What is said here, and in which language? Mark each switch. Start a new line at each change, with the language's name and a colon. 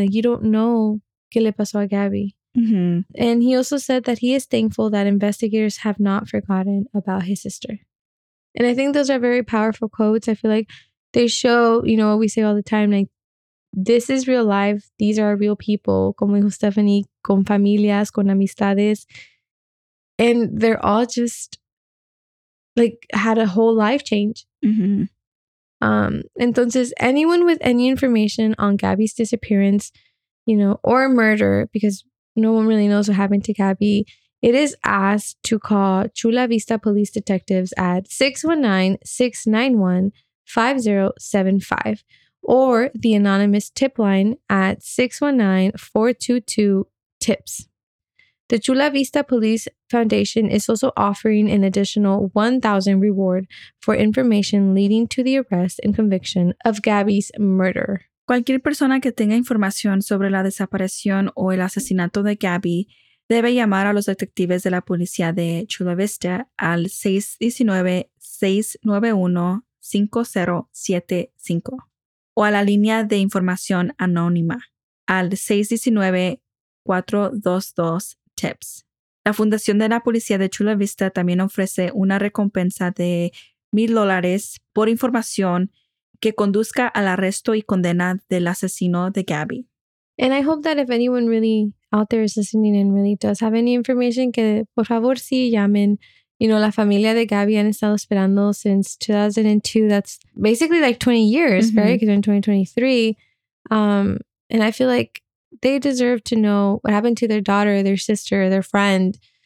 English: Like, you don't know
Spanish: qué le pasó a
English: Gabby. Mm-hmm. And he also said that he is thankful that investigators have not forgotten about his sister. And I think those are very powerful quotes. I feel like they show, you know, what we say all the time, like, this is real life. These are real people.
Spanish: Como dijo Stephanie, con familias, con amistades.
English: And they're all just, like, had a whole life change. Mm-hmm.
Spanish: Entonces,
English: anyone with any information on Gabby's disappearance, you know, or murder, because no one really knows what happened to Gabby, it is asked to call Chula Vista Police Detectives at 619-691-5075 or the anonymous tip line at 619-422-TIPS. The Chula Vista Police Foundation is also offering an additional $1,000 reward for information leading to the arrest and conviction of Gabby's murder.
Spanish: Cualquier persona que tenga información sobre la desaparición o el asesinato de Gabby debe llamar a los detectives de la policía de Chula Vista al 619-691-5075 o a la línea de información anónima al 619-422-TIPS. La Fundación de la Policía de Chula Vista también ofrece una recompensa de $1,000 por información que conduzca al arresto y condena del asesino de Gabby.
English: And I hope that if anyone really out there is listening and really does have any information,
Spanish: que por favor sí llamen.
English: You know,
Spanish: la familia de Gabby han estado esperando
English: since 2002. That's basically like 20 years, mm-hmm. right? Because in 2023. And I feel like they deserve to know what happened to their daughter, their sister, their friend.